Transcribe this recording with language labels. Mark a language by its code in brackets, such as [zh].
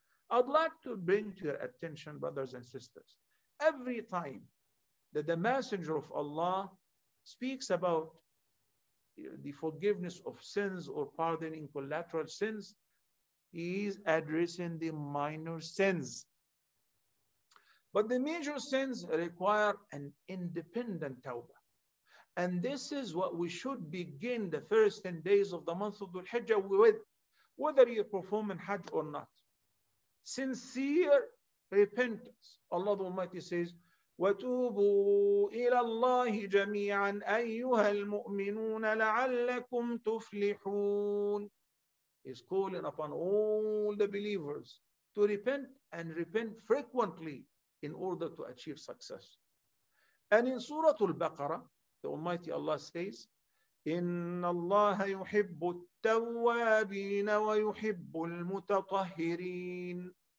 [en] I'd like to bring to your attention, brothers and sisters, every time that the Messenger of Allah speaks about the forgiveness of sins or pardoning collateral sins, he is addressing the minor sins. But the major sins require an independent tawbah. And this is what we should begin the first 10 days of the month of Dhul Hijjah with, whether you're performing Hajj or not. Sincere repentance. Allah the Almighty says, [ar] وَتُوبُوا إِلَى اللَّهِ جَمِيعًا أَيُّهَا الْمُؤْمِنُونَ لَعَلَّكُمْ تُفْلِحُونَ. [en] He's calling upon all the believers to repent and repent frequently in order to achieve success. And in Surah Al-Baqarah, the Almighty Allah says, [ar] إِنَّ اللَّهَ يُحِبُّ التَّوَّابِينَ وَيُحِبُّ الْمُتَطَهِّرِينَ.